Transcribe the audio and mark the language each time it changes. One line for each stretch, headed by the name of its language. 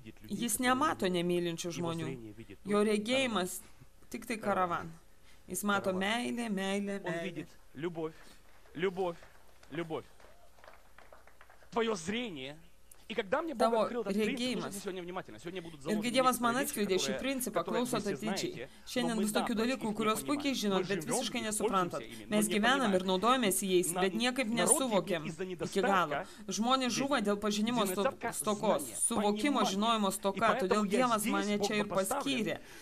Lithuanian: Jis nemato nemylinčių žmonių. Jo regėjimas tik tai karavan. Jis мато meilė, meilė, meilė.
Russian: Он видит любовь, любовь, любовь. Твоё зрение И когда мне Бог открыл этот принцип, слушайте сегодня внимательно. Сегодня будут заложены некоторые вещи, которые вы все знаете.
Lithuanian: Ir gėdėjimas man atskleidė šį principą, klauso atidžiai. Šiandien bus tokių dalykų, kuriuos puikiai žinot, bet visiškai nesuprantat. Mes gyvenam ir naudojamės jais, bet niekaip nesuvokiam iki galo. Žmonės žuva dėl pažinimo stokos, suvokimo žinojimo stoka, todėl Dievas mane čia ir paskyrė.